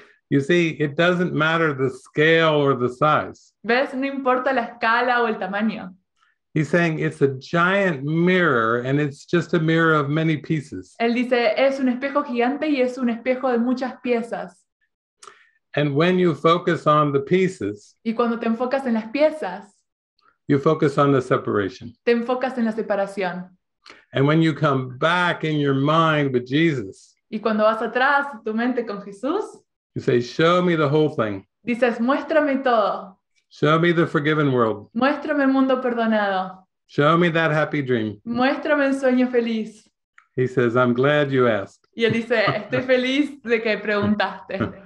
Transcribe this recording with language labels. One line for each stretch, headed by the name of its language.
English: You see, it doesn't matter the scale or the size.
Spanish: ¿Ves? No importa la escala o el tamaño.
English: He's saying it's a giant mirror and it's just a mirror of many pieces.
Spanish: Él dice, es un espejo gigante y es un espejo de muchas piezas.
English: And when you focus on the pieces,
Spanish: y cuando te enfocas en las piezas,
English: you focus on the separation.
Spanish: Te enfocas en la separación.
English: And when you come back in your mind with Jesus,
Spanish: y cuando vas atrás tu mente con Jesús,
English: you say, show me the whole thing.
Spanish: Dices, muéstrame todo.
English: Show me the forgiven world.
Spanish: Muéstrame el mundo perdonado.
English: Show me that happy dream.
Spanish: Muéstrame el sueño feliz.
English: He says, I'm glad you asked.
Spanish: Y él dice, estoy feliz de que preguntaste.